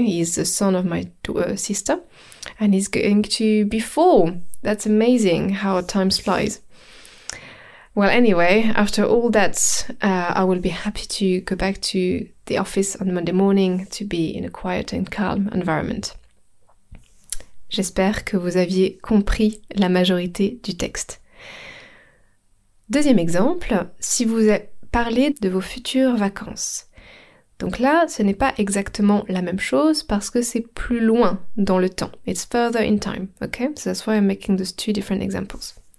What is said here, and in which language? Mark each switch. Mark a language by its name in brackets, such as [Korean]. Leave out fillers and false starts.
[English] He's the son of my sister and he's going to be 4. That's amazing how time flies. Well, anyway, after all that, I will be happy to go back to the office on Monday morning to be in a quiet and calm environment. [French] J'espère que vous aviez compris la majorité du texte. Deuxième exemple, si vous parlez de vos futures vacances. Donc là, ce n'est pas exactement la même chose parce que c'est plus loin dans le temps. [English] It's further in time, okay? So that's why I'm making those two different examples.